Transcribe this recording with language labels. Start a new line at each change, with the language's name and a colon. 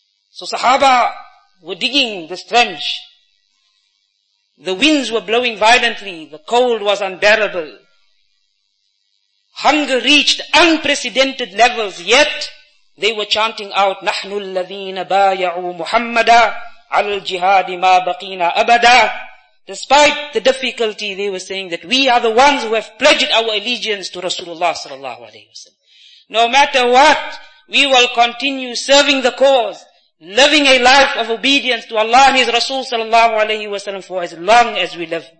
English: So Sahaba were digging this trench. The winds were blowing violently. The cold was unbearable. Hunger reached unprecedented levels. Yet they were chanting out,
Arabic: نَحْنُ الَّذِينَ بَايَعُوا مُحَمَّدًا عَلَى الْجِهَادِ مَا بَقِينَا أَبَدًا.
English: Despite the difficulty, they were saying that we are the ones who have pledged our allegiance to Rasulullah sallallahu alayhi wasallam. No matter what, we will continue serving the cause, living a life of obedience to Allah and His Rasul sallallahu alayhi wasallam for as long as we live.